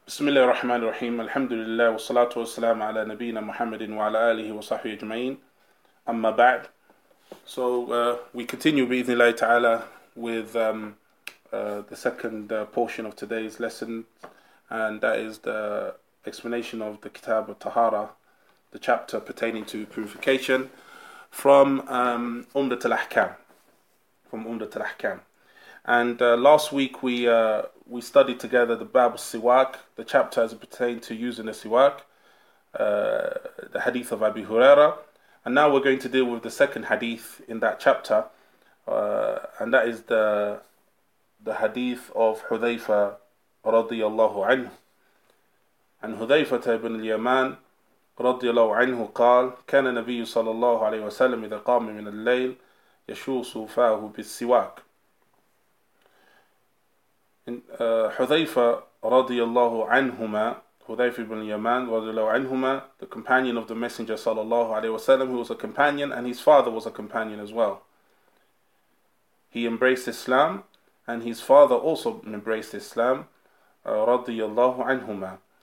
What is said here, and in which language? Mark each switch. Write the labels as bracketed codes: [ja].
[ar] بسم الله الرحمن الرحيم الحمد لله والصلاة والسلام على نبينا محمد وعلى آله وصحبه أجمعين أما بعد. [en] So we continue [ar] بإذن الله تعالى [en] with the second portion of today's lesson, and that is the explanation of the Kitab al-Tahara, the chapter pertaining to purification from Umdat al-Ahkam. And last week we studied together the Bab al-Siwak, the chapter as it pertained to using the Siwak, the Hadith of Abi Huraira. And now we're going to deal with the second Hadith in that chapter, and that is the Hadith of Hudhayfa radiyallahu anhu. [ar] And Hudhayfa ibn al-Yaman radiyallahu anhu qal, كان النبي صلى الله عليه وسلم إذا قام من الليل يشوص فاه بالسواك. [en] Hudhayfa radiyallahu anhuma, Hudhayfa ibn al-Yaman radiyallahu anhuma, the companion of the Messenger sallallahu alayhi wasallam, who was a companion and his father was a companion as well. He embraced Islam and his father also embraced Islam, radiyallahu anhuma.